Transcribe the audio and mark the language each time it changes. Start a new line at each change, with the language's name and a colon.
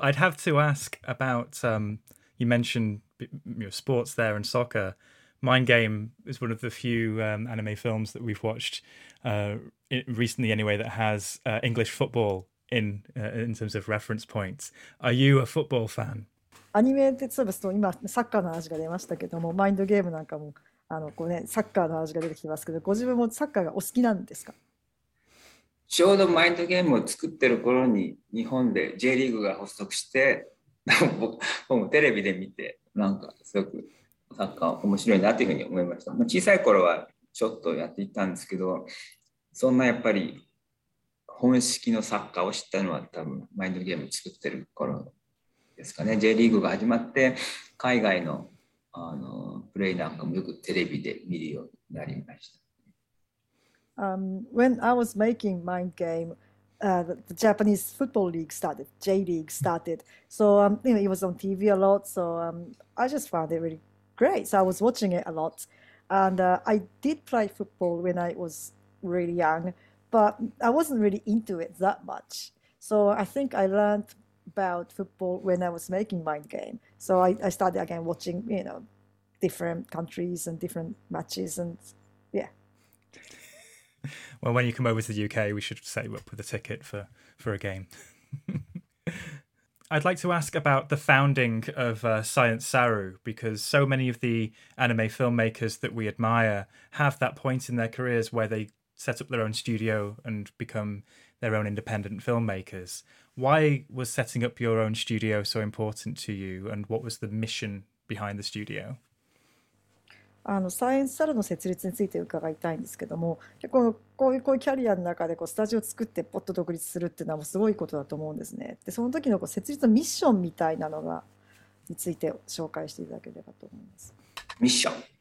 English: I'd have to ask about, you mentioned sports there and soccer. Mind Game is one of the few anime films that we've watched recently anyway that has English football. In terms of reference points. Are you a football fan?
Japanese: アニメって言えばその今サッカーの話が出ましたけども、マインドゲームなんかもこうね、サッカーの話が出てきますけど、ご自分もサッカーがお好きなんですか？ちょうどマインドゲームを作ってる頃に日本で J リーグが発足して、僕もテレビで見てなんかすごくサッカー面白いなというふうに思いました。小さい頃はちょっとやっていたんですけど、そんなやっぱり本式のサッカーを知ったのは多分マインドゲームを作ってる頃ですかね。 J リーグが始まって海外のプレイなんかもよくテレビで見るようになりました。
English: When I was making Mind Game, the Japanese Football League started, J League started. So it was on TV a lot, so I just found it really great. So I was watching it a lot. And I did play football when I was really young. But I wasn't really into it that much. So I think I learned about football when I was making Mind Game. So I started again watching, different countries and different matches. And yeah. Well, when you come over to the UK, we should set you up with a ticket for a game. I'd like to ask about the founding of Science Saru, because so many of the anime filmmakers that we admire have that point in their careers where they... set up their own studio and become their own independent filmmakers. Why was setting up your own studio so important to you, and what was the mission behind the studio?
Japanese: サイエンスサルの設立について伺いたいんですけども、こういうキャリアの中でこうスタジオ作ってポッと独立するっていうのはもうすごいことだと思うんですね。で、その時のこう設立のミッションみたいなのがについて紹介していただければと思います。ミッション。